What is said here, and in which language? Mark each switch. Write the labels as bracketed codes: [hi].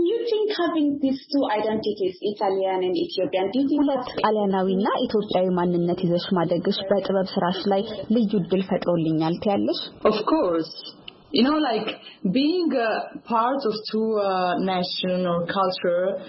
[en] You think having these two identities, Italian and Ethiopian, do you think [am] ሁለት ጣሊያናዊና ኢትዮጵያዊ ማንነት ይዘሽ ማደግሽ በጥበብ ስራሽ ላይ ልዩ ድል ፈጥሮልኛል? [en] Of course. You know, like being a part of two nation or culture